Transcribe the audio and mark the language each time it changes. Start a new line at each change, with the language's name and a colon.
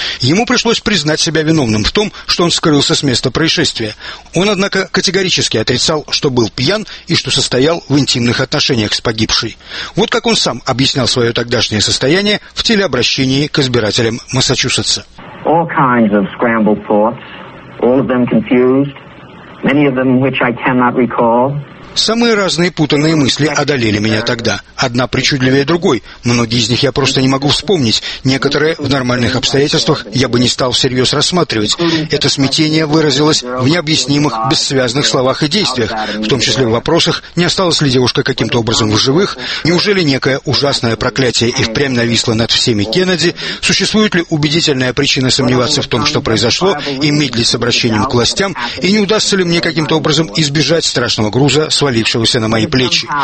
Russian: Ему пришлось признать себя виновным в том, что он скрылся с места происшествия. Он, однако, категорически отрицал, что был пьян и что состоял в интимных отношениях с погибшей. Вот как он сам объяснял свое тогдашнее состояние в телеобращении к избирателям Массачусетса.
English: All kinds of scrambled thoughts, all of them confused, many of them which I cannot recall.
Russian: Самые разные путанные мысли одолели меня тогда. Одна причудливее другой. Многие из них я просто не могу вспомнить. Некоторые в нормальных обстоятельствах я бы не стал всерьез рассматривать. Это смятение выразилось в необъяснимых, бессвязных словах и действиях, в том числе в вопросах, не осталась ли девушка каким-то образом в живых, неужели некое ужасное проклятие и впрямь нависло над всеми Кеннеди, существует ли убедительная причина сомневаться в том, что произошло, и медлить с обращением к властям, и не удастся ли мне каким-то образом избежать страшного груза, свалившегося на мои плечи.